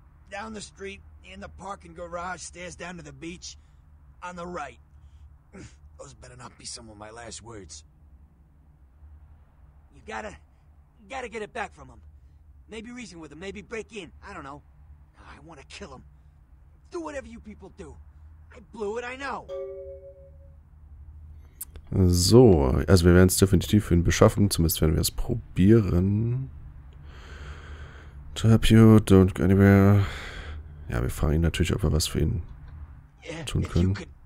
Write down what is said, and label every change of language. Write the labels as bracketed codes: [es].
[en] Down the street, in the parking garage, stairs down to the beach. On the right. Those better not be some of my last words. You gotta get it back from them. Maybe reason with them, maybe break in. I don't know. I want to kill him. Do whatever you people do. I blew it, I know. [de] So, also wir werden es definitiv für ihn beschaffen. Zumindest werden wir es probieren. [en] To help you, don't go anywhere. [de] Ja, wir fragen ihn natürlich, ob wir was für ihn tun können.